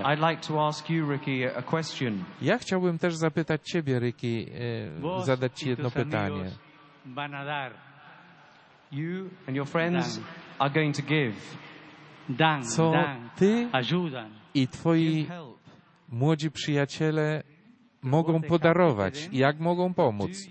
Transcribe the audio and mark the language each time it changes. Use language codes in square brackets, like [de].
[en] I'd like to ask you, Ricky, a question. [pl] Ja chciałbym też zapytać ciebie, Ricky, zadać ci jedno pytanie. [es] Van a dar. [en] You and your friends are going to give. [pl] Co ty i twoi młodzi przyjaciele mogą podarować? Jak mogą pomóc?